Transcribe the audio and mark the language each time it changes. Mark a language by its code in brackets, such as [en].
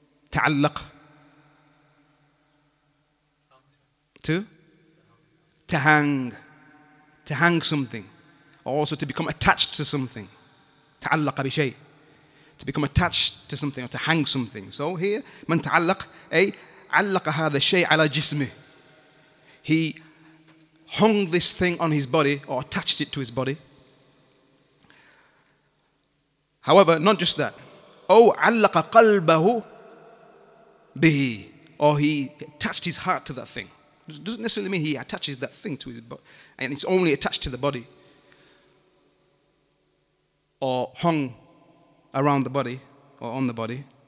[en] تعلق to to hang something, or also to become attached to something. [ar] تعلق بشيء, [en] to become attached to something or to hang something. So here [ar] من تعلق أي علق هذا الشيء على جسمه. [en] He hung this thing on his body or attached it to his body. However, not just that. [ar] أو علق قلبه به, [en] or he attached his heart to that thing. It doesn't necessarily mean he attaches that thing to his body, and it's only attached to the body, or hung around the body, or on the body.